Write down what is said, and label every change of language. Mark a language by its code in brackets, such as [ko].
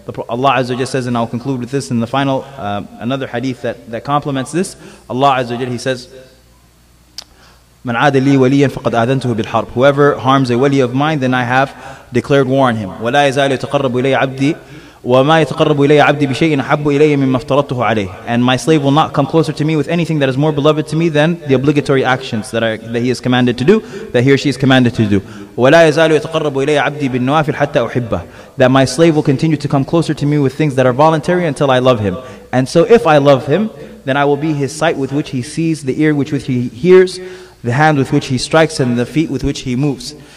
[en] Allah Azza wa Jal says, and I'll conclude with this in the final another hadith that complements this. Allah Azza wa Jal, He says, [ar] "من عاد لي وليا فقد أذنته بالحرب." [en] Whoever harms a wali of mine, then I have declared war on him. [ar] ولا يزال يتقرب إلي عبدي وَمَا يَتَقَرَّبُ إِلَيَّ عَبْدِي بِشَيْءٍ أَحَبُّ إِلَيَّ مِمَّا افْتَرَضْتُهُ عَلَيْهِ. [en] And my slave will not come closer to me with anything that is more beloved to me than the obligatory actions that he is commanded to do, that he or she is commanded to do. [ar] وَلَا يَزَالُ يَتَقَرَّبُ إِلَيَّ عَبْدِي بِالنَّوَافِلِ حَتَّى أُحِبَّهُ. [en] That my slave will continue to come closer to me with things that are voluntary until I love him. And so if I love him, then I will be his sight with which he sees, the ear with which he hears, the hand with which he strikes, and the feet with which he moves.